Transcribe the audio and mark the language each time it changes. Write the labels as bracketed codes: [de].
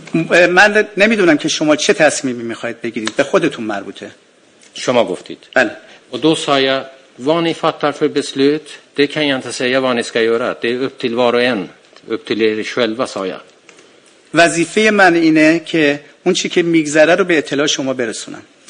[fa] من نمیدونم که شما چه تصمیمی میخواید بگیرید. به خودتون مربوطه. شما گفتید. بله. [sv] Och då sa jag, vad ni fattar för beslut, det kan jag inte säga vad ni ska göra. Det är upp till var och en. Upp till er själva, sa jag. [fa] وظیفه من اینه که اون چی که میگذره رو به اطلاع شما برسونم.